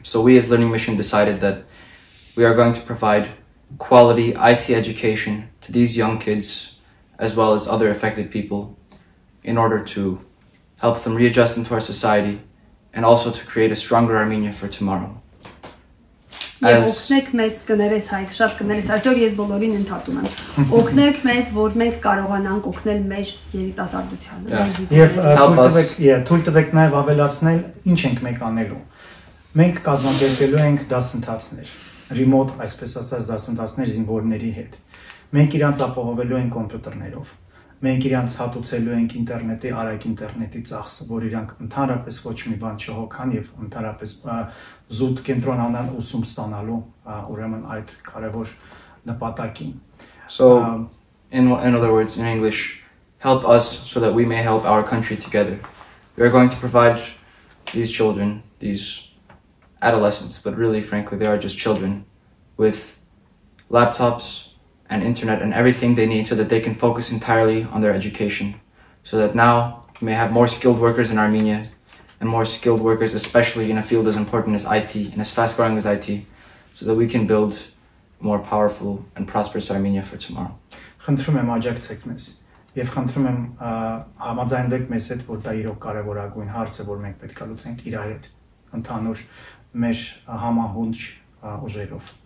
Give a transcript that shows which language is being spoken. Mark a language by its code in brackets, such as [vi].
[en] So we as Learning Mission decided that we are going to provide quality IT education to these young kids as well as other affected people in order to help them readjust into our society and also to create a stronger Armenia for tomorrow. [hy] Օգնեք մեզ, կներես Հայկ, շատ կներես, այսօր ես բոլորին ընդհատում եմ։ Օգնեք մեզ, որ մենք կարողանանք օգնել մեր երիտասարդությանը։ Եվ թույլ տվեք նաև ավելացնել, ինչ ենք մենք անելու։ Մենք կազմակերպելու ենք դասընթացներ, ռիմոտ, այսպես ասած, դասընթացներ զինվորների հետ։ Մենք իրանց ապահովելու ենք կոմպյուտերներով, մենք իրանց հատուցելու ենք ինտերնետի, արագ ինտերնետի ծախսը, որ իրանք ընդհանրապես ոչ մի բան չհոգան եւ ընդհանրապես զուտ կենտրոնանան ուսում ստանալու, ուրեմն այդ կարևոր նպատակին։ [en] So in other words, in English, help us so that we may help our country together. We are going to provide these children, these adolescents, but really frankly they are just children, with laptops and internet and everything they need so that they can focus entirely on their education, so that now we may have more skilled workers in Armenia and more skilled workers especially in a field as important as IT and as fast growing as IT, so that we can build more powerful and prosperous Armenia for tomorrow. [hy] Խնդրում եմ աջակցեք մեզ եւ խնդրում եմ համաձայնվեք մեզ հետ, որ դա իրոք կարևորագույն հարց է, որ մենք պետք է լուծենք իր հետ ընդհանուր մեր համահունչ ուժերով։